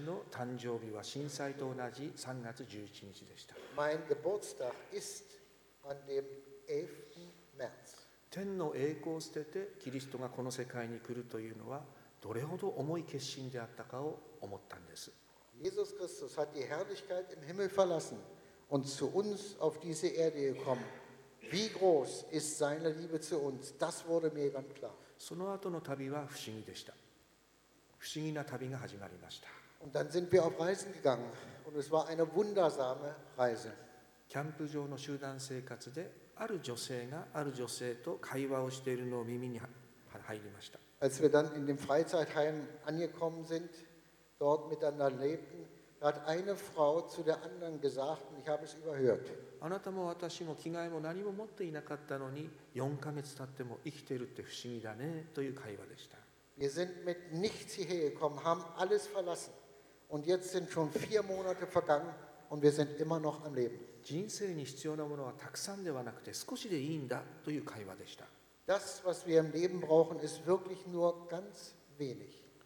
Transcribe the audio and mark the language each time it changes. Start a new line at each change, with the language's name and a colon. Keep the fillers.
Japanese: の誕生日は震災と同じ3月11日でした。
German: Mein Geburtstag ist an dem 11. März.
Japanese: 天の栄光を捨ててキリストがこの世界に来るというのはどれほど重い決心であったかを思ったんです。
German: Jesus Christus hat die Herrlichkeit im Himmel verlassen und zu uns auf diese Erde gekommen. Wie groß ist seine Liebe zu uns? Das wurde mir ganz klar.
Japanese: その後の旅は不思議でした。不思議な旅が始まりました。
German: Und dann sind wir auf Reisen gegangen und es war eine wundersame Reise.
Japanese: キャンプ場の集団生活である女性がある女性と会話をしているのを耳に入りました。
German: Als wir dann in dem Freizeitheim angekommen sind, dort miteinander lebten, hat eine Frau zu der anderen gesagt, und ich habe es überhört.
Japanese: あなたも私も着替えも何も持っていなかったのに、4ヶ月経っても生きてるって不思議だねという会話でした。
German: Wir sind mit nichts hierher gekommen, haben alles verlassen. Und jetzt sind schon vier Monate vergangen und wir sind immer noch am Leben.
Japanese: 人生に必要なものはたくさんではなくて少しでいいんだという会話でした。
German: Das, was wir im Leben brauchen, ist wirklich nur ganz wenig.